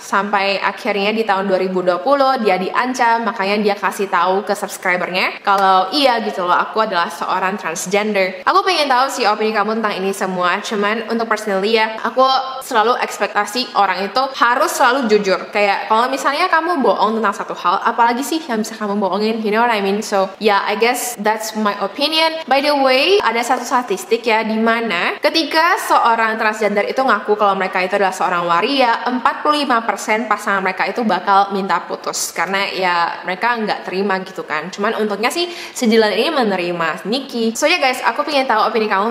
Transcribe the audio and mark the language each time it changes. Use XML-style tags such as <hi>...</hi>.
<id>Sampai akhirnya di tahun 2020 dia diancam, makanya dia kasih tahu ke subscribernya kalau iya gitu loh, aku adalah seorang transgender. Aku pengen tahu sih opini kamu tentang ini semua. Cuman untuk personally ya, aku selalu ekspektasi orang itu harus selalu jujur. Kayak kalau misalnya kamu bohong tentang satu hal, apalagi sih yang bisa kamu bohongin,</id> <en>you know what I mean? So yeah, I guess that's my opinion.</en> <id>By the way, ada satu statistik ya, di mana ketika seorang transgender itu ngaku kalau mereka itu adalah seorang waria, 45% pasangan mereka itu bakal minta putus, karena ya mereka nggak terima gitu kan. Cuman untungnya sih si Dylan ini menerima Nikki.</id> <en>So yeah guys,</en> <id>aku pengen tahu opini kamu.</id>